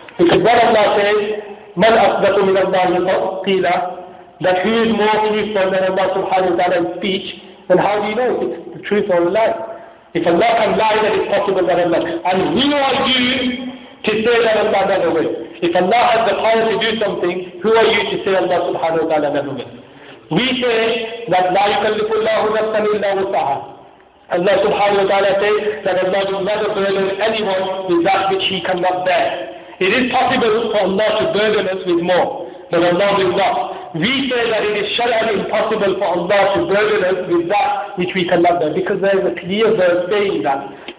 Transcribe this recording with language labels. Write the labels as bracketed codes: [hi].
[en] Because what Allah says, [ar] مَنْ أَصْدَقُ مِنَ اللَّهِ قِيلًا, [en] that who is more truthful than Allah subhanahu wa ta'ala in speech, Then how do you know if it's the truth or a lie? If Allah can lie, then it's possible that Allah. And who are you to say that Allah never will? If Allah has the power to do something, who are you to say Allah subhanahu wa ta'ala never will? We say that [ar] لا يكلف الله نفسا إلا وسعها. [en] Allah subhanahu wa ta'ala says that Allah will never burden anyone with that which he cannot bear. It is possible for Allah to burden us with more, but Allah will not. We say that it is shara'an impossible for Allah to burden us with that which we cannot bear, because there is a clear verse saying that.